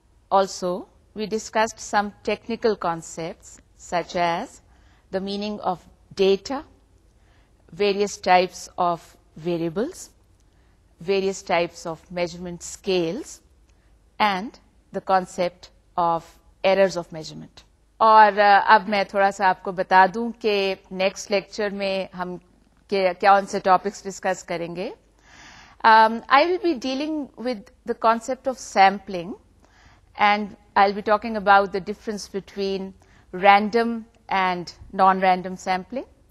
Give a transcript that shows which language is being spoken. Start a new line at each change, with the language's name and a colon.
English: Also, we discussed some technical concepts such as the meaning of data, various types of variables, various types of measurement scales, and the concept of errors of measurement.
Urdu: اور اب میں تھوڑا سا آپ کو بتا دوں کہ نیکسٹ لیکچر میں ہم کون سے ٹاپکس ڈسکس کریں گے.
English: I will be dealing with the concept of sampling and I will be talking about the difference between random and non random sampling.